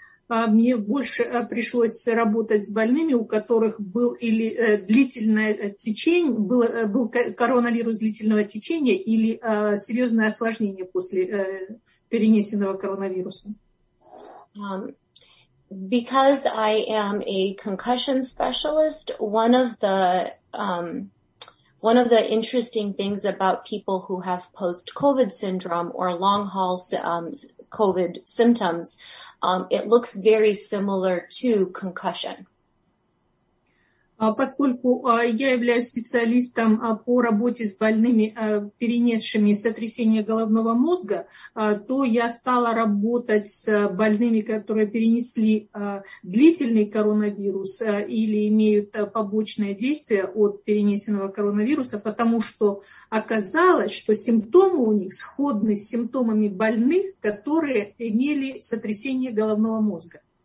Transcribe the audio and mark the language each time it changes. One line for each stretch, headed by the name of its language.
Russian: мне больше пришлось работать с больными, у которых был или длительное течение, был коронавирус длительного течения или серьезное осложнение после перенесенного коронавируса.
English: Because I am a concussion specialist, one of the interesting things about people who have post-COVID syndrome or long-haul COVID symptoms, it looks very similar to concussion.
Russian: Поскольку я являюсь специалистом по работе с больными, перенесшими сотрясение головного мозга, то я стала работать с больными, которые перенесли длительный коронавирус или имеют побочное действие от перенесенного коронавируса, потому что оказалось, что симптомы у них сходны с симптомами больных, которые имели сотрясение головного мозга.